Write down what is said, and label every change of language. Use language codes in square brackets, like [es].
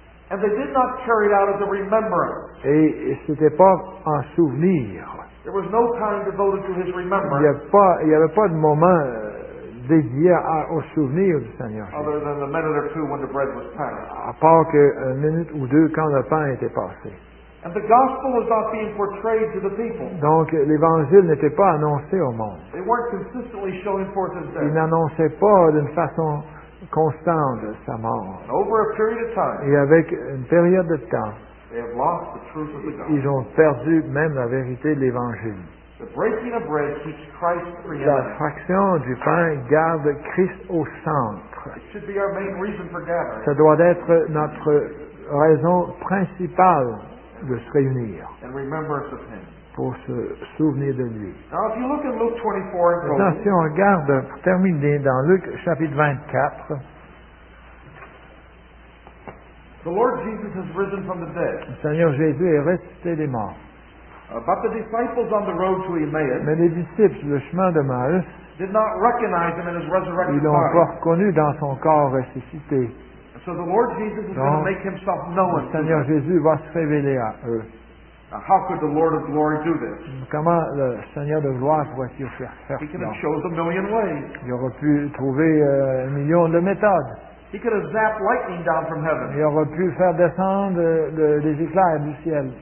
[en] And they did not carry it out as a remembrance. [fr] Et c'était pas un souvenir. [en] There was no time devoted to his remembrance. [fr] Il y avait pas de moment dédié au souvenir du Seigneur. [en] Other than the minute or two when the bread was passed. [fr] À part que une minute ou deux quand le pain était passé. [en] And the gospel was not being portrayed to the people. [fr] Donc l'évangile n'était pas annoncé au monde. [en] They weren't consistently showing forth his death. [fr] Ils n'annonçaient pas d'une façon constante sa mort. [en] Over a period of time. [fr] Et avec une période de temps. [en] They have lost the truth of the gospel. [fr] Ils ont perdu même la vérité de l'évangile. [en] The breaking of bread keeps Christ preeminent. [fr] La fraction du pain garde Christ au centre. [en] It should be our main reason for gathering. [fr] Ça doit être notre raison principale de se réunir [en] and remembrance of him. [fr] Pour se souvenir de lui. [en] Now, if you look in Luke 24, [fr] maintenant, si on regarde, pour terminer, dans Luc chapitre 24, [en] the Lord Jesus has risen from the dead. [fr] Le Seigneur Jésus est ressuscité des morts. [en] But the disciples on the road to Emmaüs, [fr] mais les disciples sur le chemin de Emmaüs, [en] did not recognize him in his resurrected [fr] ils l'ont [en] body. [fr] Pas reconnu dans son corps ressuscité. [en] So the Lord Jesus is going to make himself known. [fr] Le Seigneur Jésus va se révéler à eux. [en] Now, how could the Lord of glory do this? [fr] Comment le Seigneur de gloire pourrait-il faire ça? [en] He could have chosen a million ways. [fr] Il aurait pu trouver un million de méthodes. [en] He could have zapped lightning down from heaven. [fr] Il aurait pu faire descendre des éclairs du ciel.